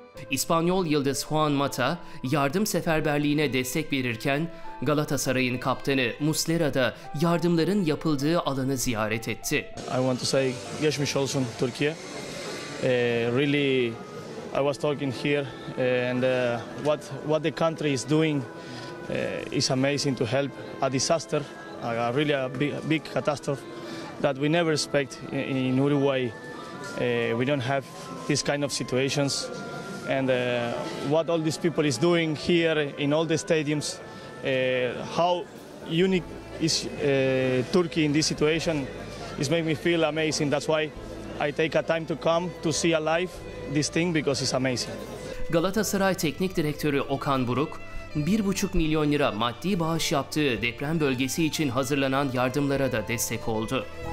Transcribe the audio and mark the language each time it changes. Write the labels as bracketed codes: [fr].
[tr] İspanyol yıldız Juan Mata yardım seferberliğine destek verirken Galatasaray'ın kaptanı Muslera da yardımların yapıldığı alanı ziyaret etti. [en] I want to say [tr] geçmiş olsun [en] Türkiye. Really I was talking here and what the country is doing is amazing to help a disaster, really a big catastrophe that we never expect in Uruguay. We don't have this kind of situations. And what all these people is doing here in all the stadiums, how unique is Turkey in this situation, is making me feel amazing. That's why I take a time to come to see alive this thing because it's amazing. [tr] Galatasaray Teknik Direktörü Okan Buruk, 1,5 milyon lira maddi bağış yaptığı deprem bölgesi için hazırlanan yardımlara da destek oldu.